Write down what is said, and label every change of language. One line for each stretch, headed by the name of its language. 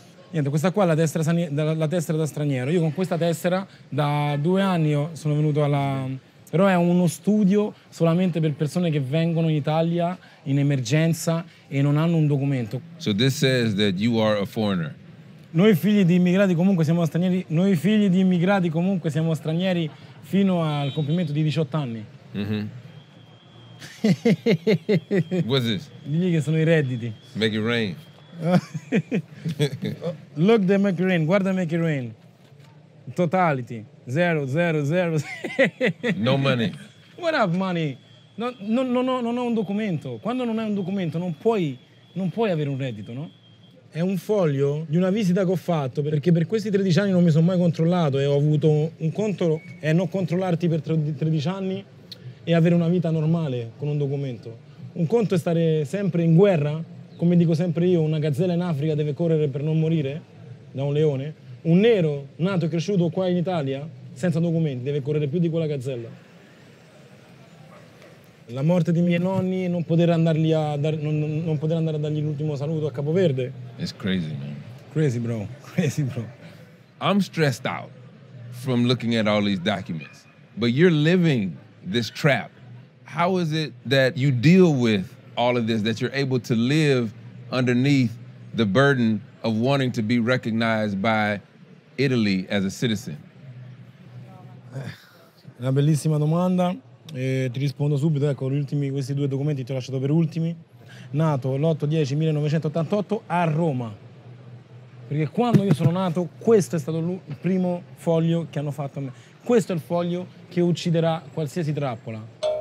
Italian: Niente, questa qua è la tessera da straniero. Io con questa tessera da 2 anni sono venuto alla... Però è uno studio solamente per persone che vengono in Italia in emergenza e non hanno un documento.
English: So this says that you are a foreigner.
Italian: Noi figli di immigrati comunque siamo stranieri. Noi figli di immigrati comunque siamo stranieri fino al compimento di 18 anni.
English: Mm-hmm. What's this?
Italian: Digli che sono i redditi.
English: Make it rain. Look the make it rain.
Italian: Guarda
English: make it rain. Totality. Zero, zero, zero. No money. What up money?
Italian: Non ho un documento. Quando non hai un documento non puoi avere un reddito, no? È un foglio di una visita che ho fatto, perché per questi 13 anni non mi sono mai controllato e ho avuto un conto è non controllarti per 13 anni e avere una vita normale con un documento. Un conto è stare sempre in guerra, come dico sempre io, una gazzella in Africa deve correre per non morire da un leone. Un nero nato e cresciuto qua in Italia senza documenti deve correre più di quella gazzella. La morte di miei nonni e non poter andare a dargli l'ultimo saluto a Capo Verde.
English: It's crazy, man. Crazy, bro. I'm stressed out from looking at all these documents, but you're living this trap. How is it that you deal with all of this, that you're able to live underneath the burden of wanting to be recognized by Italy as a citizen?
Italian: Una bellissima domanda. E ti rispondo subito, ecco, questi due documenti ti ho lasciato per ultimi. Nato l'8/10/1988 a Roma. Perché quando io sono nato, questo è stato il primo foglio che hanno fatto a me. Questo è il foglio che ucciderà qualsiasi trappola.